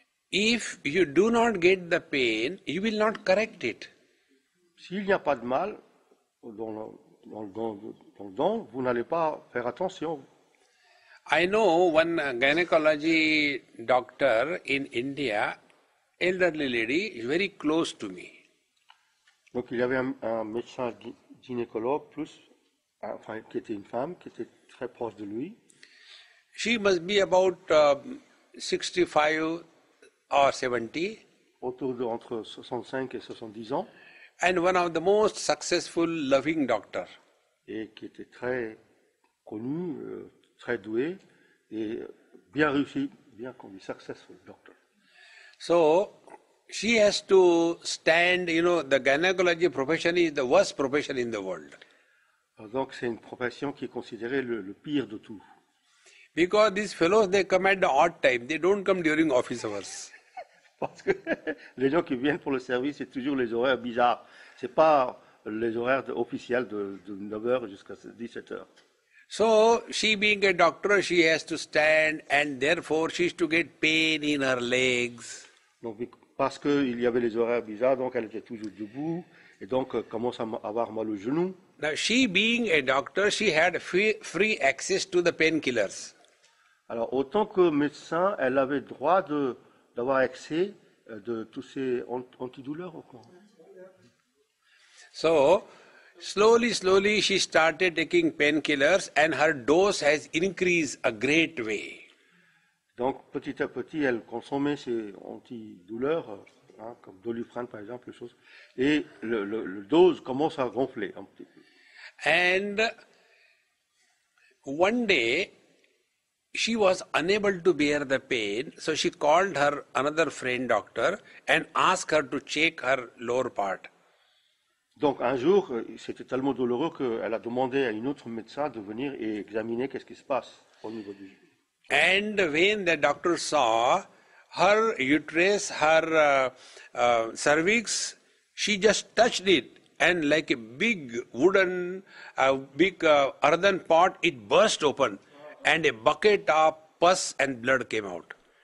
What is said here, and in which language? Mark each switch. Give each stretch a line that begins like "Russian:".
English: If you do not get the pain, you will not correct it.
French: S'il n'y a pas de mal dans le dent, vous n'allez pas faire attention.
English: I know one gynecology doctor in India. Elderly lady, very close to me.
French: Donc il y avait un médecin gynécologue plus, enfin qui était une femme, qui était très proche de lui.
English: She must be about 65 or 70.
French: Autour de entre 65 et 70 ans.
English: And one of the most successful, loving doctor.
French: Et qui était très connu, très doué et bien réussi, bien connu,
English: successful doctor. So, she has to stand, you know, the gynecology profession is the worst profession in the world.
French: Donc, c'est une profession qui est considérée le pire de tout.
English: Because these fellows, they come at the odd time. They don't come during office hours.
French: Parce que les gens qui viennent pour le service, c'est toujours les horaires bizarres. C'est pas les horaires officiels de 9h jusqu'à 17h.
English: So, she being a doctor, she has to stand and therefore she is to get pain in her legs.
French: Donc, parce qu'il y avait les horaires bizarres, donc elle était toujours debout et donc commence à avoir mal aux genoux.
English: Now, she being a doctor, she had free access to the painkillers.
French: Alors, autant que médecin, elle avait droit d'avoir accès de tous ces antidouleurs.
English: So, slowly, she started taking painkillers and her dose has increased a great way.
French: Donc, petit à petit, elle consommait ces antidouleurs, hein, comme Doliprane, par exemple, les choses, et le dose commence à gonfler un petit peu.
English: And one day, she was unable to bear the pain, so she called her another friend doctor and asked her to check her lower part.
French: Donc, un jour, c'était tellement douloureux qu'elle a demandé à une autre médecin de venir et examiner qu'est-ce qui se passe au niveau du.
English: And when the doctor saw her uterus, her cervix, she just touched it, and like a big wooden, big earthen pot, it burst open, and a bucket of pus and blood came out.